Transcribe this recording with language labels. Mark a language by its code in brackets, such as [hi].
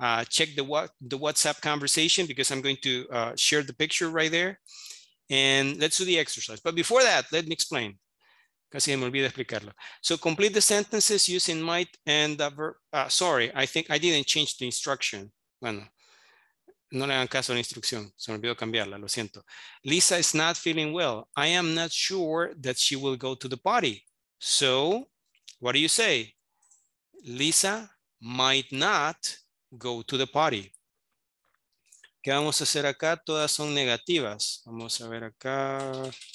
[en] Check the WhatsApp conversation because I'm going to share the picture right there. And let's do the exercise. But before that, let me explain. [es] Casi me olvidé explicarlo. [en] So complete the sentences using might and verb. Sorry, I think I didn't change the instruction. [es] Bueno. No le hagan caso a la instrucción, se me olvidó cambiarla, lo siento. [en] Lisa is not feeling well. I am not sure that she will go to the party. So, what do you say? Lisa might not go to the party. [es] ¿Qué vamos a hacer acá? Todas son negativas. Vamos a ver acá.